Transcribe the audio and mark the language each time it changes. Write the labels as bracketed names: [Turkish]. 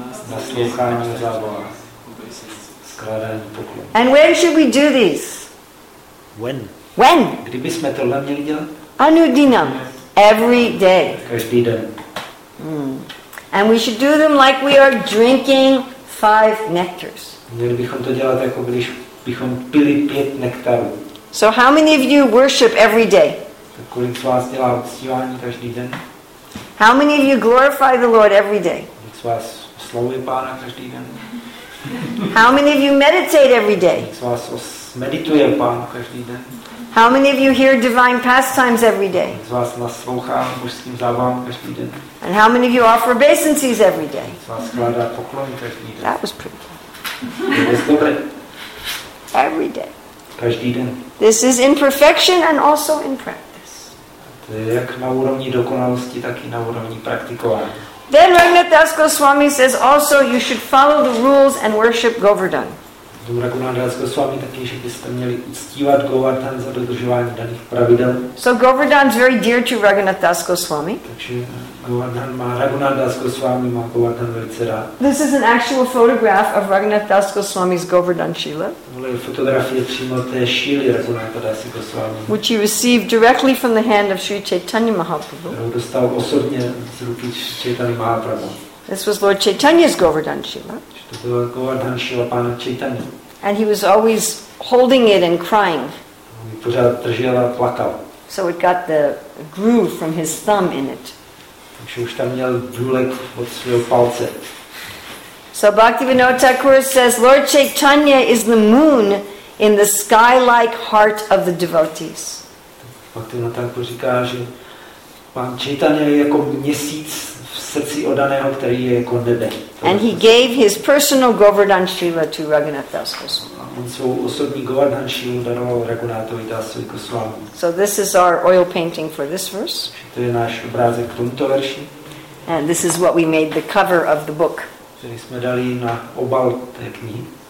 [Czech] naslouchání o závora, skládání poklon. [English] And when should we do these? When? When? [Czech] Kdybychom tohle měli dělat? [English] Anudinam, every day. [Czech] Každý den. [English] And we should do them like we are drinking 5 nectars. [Czech] Měli bychom to dělat, jako když bychom pili 5 nektarů. [English] So how many of you worship every day? [Czech] Kolik z vás dělá uctívání každý den? [English] How many of you glorify the Lord every day? [Czech] Kolik z vás oslavuje Pána každý den? [English] How many of you meditate every day? [Czech] Kolik z vás medituje Pána každý den? [English] How many of you hear divine pastimes every day? [Czech] Kolik z vás naslouchá božským zábavám každý den? [English] And how many of you offer obeisances every day? [Czech] Kolik z vás skládá poklony každý den? [English] That was pretty good. Every day. [Czech] Každý den. [English] This is in perfection and also in practice. [Czech] To je jak na úrovni dokonalosti, tak i na úrovni praktikování. [English] Then Raghunathdas Goswami says also you should follow the rules and worship Govardhan. [Czech] Raghunathdas Goswami taky, že byste měli uctívat Govardhan za dodržování daných pravidel. [English] So Govardhan is very dear to Raghunathdas Goswami. [Czech] Takže Govardhan má Raghunathdas Goswami má Govardhan velice rád. [English] This is an actual photograph of Raghunathdas Goswami's Govardhan Shila. [Czech] Tohle je fotografie přímo té šíly Raghunathdas Goswami. [English] Which he received directly from the hand of Sri Chaitanya Mahaprabhu. [Czech] Kterou dostal osobně z ruky Sri Chaitanya Mahaprabhu. [English] This was Lord Chaitanya's Govardhan Shila. [Czech] To byl Govardhan Shila pana Chaitanya. [English] And he was always holding it and crying. [Czech] On ji pořád držel a plakal. [English] So it got the groove from his thumb in it. [Czech] Takže už tam měl důlek od svého palce. [English] So Bhaktivinoda Thakur says Lord Chaitanya is the moon in the sky-like heart of the devotees. [Czech] Bhaktivinoda Thakur říká, že pan Chaitanya je jako měsíc srdci odaného, který je jako nebe. [English] And he gave his personal Govardhan Shila to Raghunath Das [Czech] Goswami. On svou osobní Govardhan Shilu daroval Raghunathovi Dasovi Goswami. [English] So this is our oil painting for this verse. [Czech] To je náš obrázek k tomuto verši. [English] And this is what we made the cover of the book. [Czech] Který jsme dali na obal té knihy.